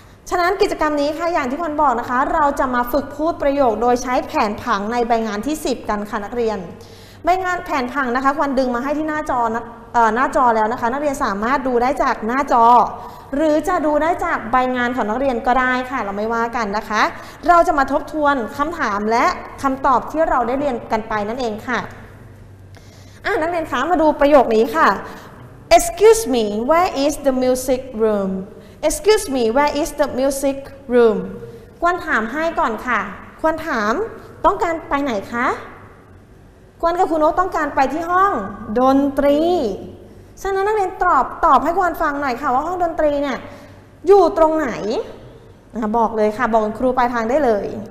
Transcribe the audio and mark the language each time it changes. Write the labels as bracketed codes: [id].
[th] ฉะนั้นกิจกรรมนี้ค่ะอย่างที่คุณบอกนะคะเราจะมาฝึกพูดประโยคโดยใช้แผนผังในใบงานที่10กันค่ะนักเรียนใบงานแผนผังนะคะควรดึงมาให้ที่หน้าจอนะหน้าจอแล้วนะคะนักเรียนสามารถดูได้จากหน้าจอหรือจะดูได้จากใบงานของนักเรียนก็ได้ค่ะเราไม่ว่ากันนะคะเราจะมาทบทวนคำถามและคำตอบที่เราได้เรียนกันไปนั่นเองค่ะนักเรียนคะมาดูประโยคนี้ค่ะ [en] Excuse me, where is the music room? Excuse me, where is the music room? [th] ควรถามให้ก่อนค่ะควรถามต้องการไปไหนคะควรกับคุณโน้ตต้องการไปที่ห้องดนตรีฉะนั้นนักเรียนตอบให้ควรฟังหน่อยค่ะว่าห้องดนตรีเนี่ยอยู่ตรงไหนนะบอกเลยค่ะบอกครูปลายทางได้เลย